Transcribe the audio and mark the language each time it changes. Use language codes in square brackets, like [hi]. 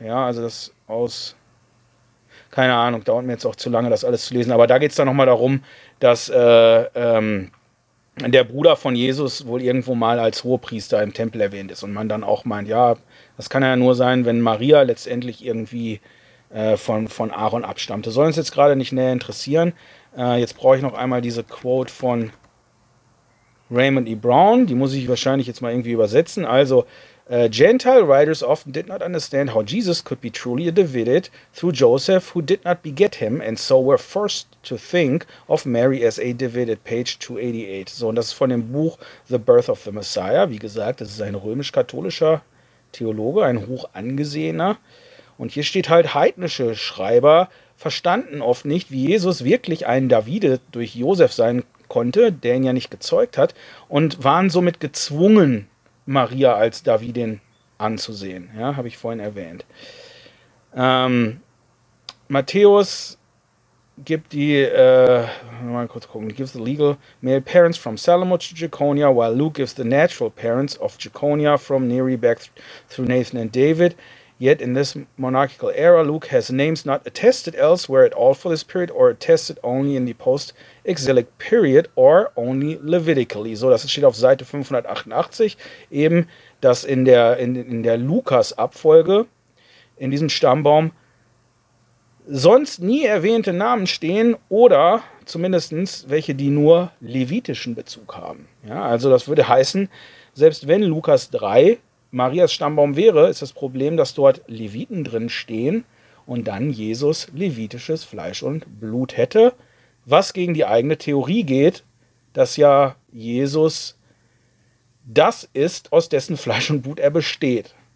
[de] Ja, also das aus, keine Ahnung, dauert mir jetzt auch zu lange, das alles zu lesen, aber da geht es dann nochmal darum, dass der Bruder von Jesus wohl irgendwo mal als Hohepriester im Tempel erwähnt ist und man dann auch meint, ja, das kann ja nur sein, wenn Maria letztendlich irgendwie von Aaron abstammte. Soll uns jetzt gerade nicht näher interessieren. Jetzt brauche ich noch einmal diese Quote von Raymond E. Brown, die muss ich wahrscheinlich jetzt mal irgendwie übersetzen. [en] Also, Gentile writers often did not understand how Jesus could be truly a Davidite through Joseph, who did not beget him, and so were forced to think of Mary as a Davidite, page 288. [de] So, und das ist von dem Buch The Birth of the Messiah. Wie gesagt, das ist ein römisch-katholischer Theologe, ein hoch angesehener. Und hier steht halt, heidnische Schreiber verstanden oft nicht, wie Jesus wirklich ein Davide durch Josef sein konnte, der ihn ja nicht gezeugt hat, und waren somit gezwungen, Maria als Davidin anzusehen. Ja, habe ich vorhin erwähnt. Matthäus gibt die, mal kurz gucken, [en] gives the legal male parents from Salamis to Jeconia, while Luke gives the natural parents of Jeconia from Neri back through Nathan and David. Yet in this monarchical era, Luke has names not attested elsewhere at all for this period or attested only in the post-exilic period or only Levitically. [de] So, das steht auf Seite 588, eben, dass in der Lukas-Abfolge in diesem Stammbaum sonst nie erwähnte Namen stehen oder zumindest welche, die nur levitischen Bezug haben. Ja, also das würde heißen, selbst wenn Lukas 3 Marias Stammbaum wäre, ist das Problem, dass dort Leviten drin stehen und dann Jesus levitisches Fleisch und Blut hätte, was gegen die eigene Theorie geht, dass ja Jesus das ist, aus dessen Fleisch und Blut er besteht.